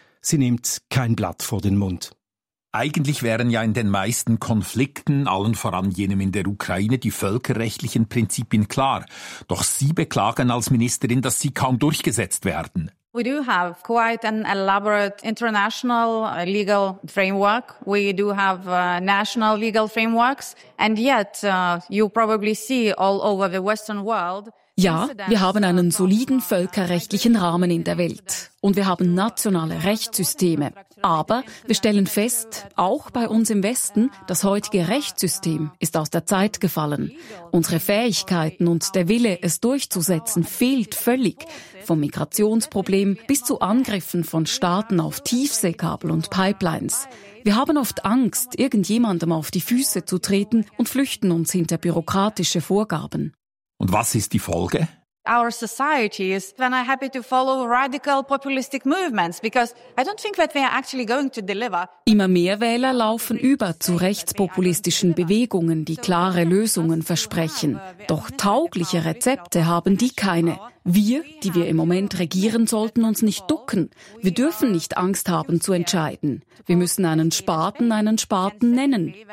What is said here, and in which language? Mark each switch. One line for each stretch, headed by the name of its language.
German: Sie nimmt kein Blatt vor den Mund. Eigentlich wären ja in den meisten Konflikten, allen voran jenem in der Ukraine, die völkerrechtlichen Prinzipien klar. Doch Sie beklagen als Ministerin, dass sie kaum durchgesetzt werden.
English: We do have quite an elaborate international legal framework. We do have national legal frameworks. And yet, you probably see all over the Western world.
German: Ja, wir haben einen soliden völkerrechtlichen Rahmen in der Welt. Und wir haben nationale Rechtssysteme. Aber wir stellen fest, auch bei uns im Westen, das heutige Rechtssystem ist aus der Zeit gefallen. Unsere Fähigkeiten und der Wille, es durchzusetzen, fehlt völlig. Vom Migrationsproblem bis zu Angriffen von Staaten auf Tiefseekabel und Pipelines. Wir haben oft Angst, irgendjemandem auf die Füße zu treten und flüchten uns hinter bürokratische Vorgaben. Und was ist die Folge?
English: Our society is when I happy to follow radical populistic movements because I don't think that we are actually going to deliver.
German: Immer mehr Wähler laufen über zu rechtspopulistischen Bewegungen, die klare Lösungen versprechen. Doch taugliche Rezepte haben die keine. Wir, die wir im Moment regieren, sollten uns nicht ducken. Wir dürfen nicht Angst haben zu entscheiden. Wir müssen einen Spaten nennen.